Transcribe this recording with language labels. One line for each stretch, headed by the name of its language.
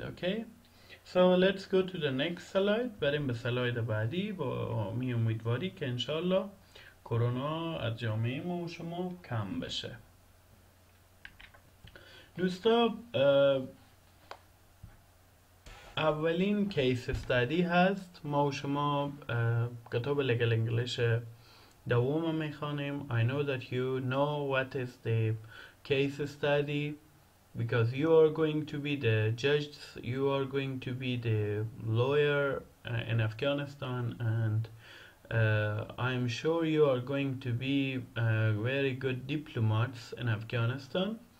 English: Okay, so let's go to the next slide.
Persian: بریم به سلاید بعدی. با می امیدواری که انشالله کرونا از جامعه ما و شما کم بشه. دوستا اولین کیس استادی هست. ما و شما کتاب لگل انگلیش دوم میخوانیم.
English: I know that you know what is the case study because you are going to be the judges, you are going to be the lawyer in Afghanistan, and I'm sure you are going to be very good diplomats in Afghanistan.